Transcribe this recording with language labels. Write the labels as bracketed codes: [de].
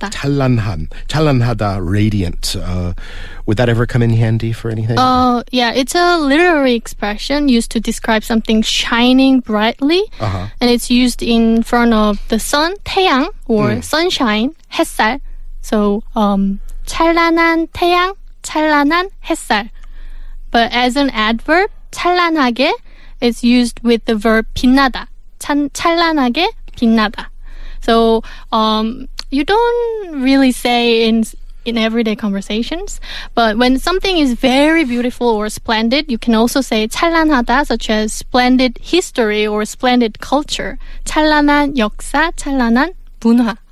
[en] Right? [ko] 찬란한. 찬란하다, [en] radiant. Would that ever come in handy for anything? Yeah, it's a literary expression used to describe something shining brightly. Uh-huh. And it's used in front of the sun, 태양, or sunshine, 햇살. [ko] So, 찬란한 태양, 찬란한 햇살. [en] But as an adverb, 찬란하게, it's used with the verb 빛나다. [ko] 찬란하게 빛나다. [en] So, you don't really say in everyday conversations, but when something is very beautiful or splendid, you can also say 찬란하다, such as splendid history or splendid culture. [ko] 찬란한 역사, 찬란한 문화.